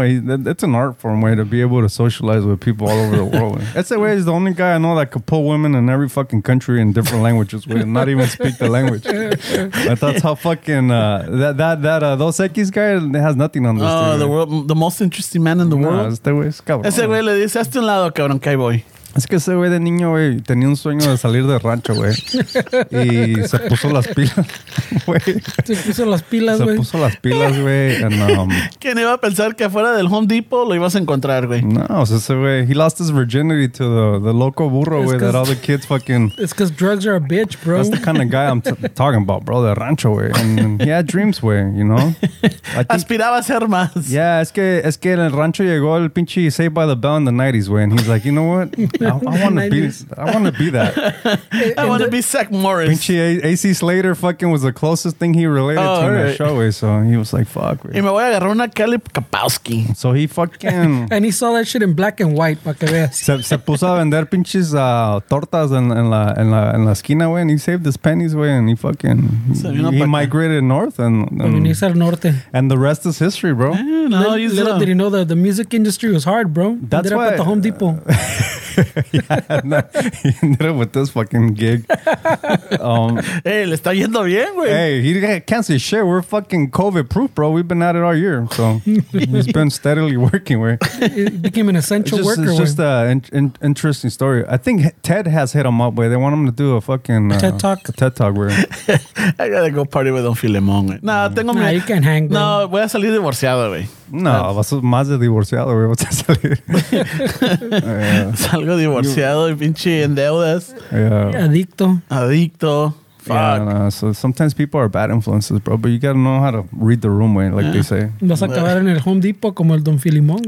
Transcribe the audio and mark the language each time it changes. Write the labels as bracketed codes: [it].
[en] It's an art form, way to be able to socialize with people all over the world. That's the way. He's the only guy I know that could pull women in every fucking country in different languages with, and not even speak the language. But that's how fucking Dos Equis guy has nothing on this. The world, the most interesting man in the world. That's the way. [es] Ese güey le dice a este lado, cabrón, que voy. Es que ese güey de niño, güey, tenía un sueño de salir de rancho, güey. Y se puso las pilas, güey. Se puso las pilas, güey. ¿Quién iba a pensar que afuera del Home Depot lo ibas a encontrar, güey? No, o sea, ese güey, [en] he lost his virginity to the loco burro, güey, that all the kids fucking... It's because drugs are a bitch, bro. That's the kind of guy I'm talking about, bro, [es] de rancho, güey. [en] And he had dreams, güey, you know? [es] Aspiraba a ser más. [en] Yeah, [es] es que en el rancho llegó el pinche [en] Saved by the Bell in the 90s, güey. And he's like, you know what? I want to be that. I want to be Zach Morris. Pinche AC Slater fucking was the closest thing he related to in that show. So he was like, fuck. [es] Y me voy a agarrar una Kelly Kapowski. [en] So he fucking... And he saw that shit in black and white. [es] Se puso a vender pinches tortas en la esquina, güey. [en] And he saved his pennies, güey. And he fucking... He migrated north. And the rest is history, bro. Did he know that the music industry was hard, bro? That's why... Ended up at the Home Depot. Yeah, he ended up with this fucking gig. [es] Hey, le está yendo bien, güey. [en] Hey, he can't say shit. We're fucking COVID proof, bro. We've been at it all year. So he's been steadily working, güey. It became an essential it's just, worker, it's way. Just an interesting story. I think Ted has hit him up, way. They want him to do a fucking TED Talk. A TED Talk, güey. I gotta go party with Don Filemon, güey. Nah, you can't hang, bro. [es] No, voy a salir divorciado, güey. No, vas a ser más de divorciado, güey. Vas a salir. Salgo divorciado y pinche en deudas. [en] Yeah. [es] Adicto. [en] Fuck. Yeah, no. So sometimes people are bad influences, bro. But you gotta know how to read the room, way, like they say. [es] Vas a acabar en el Home Depot como el Don Filimón.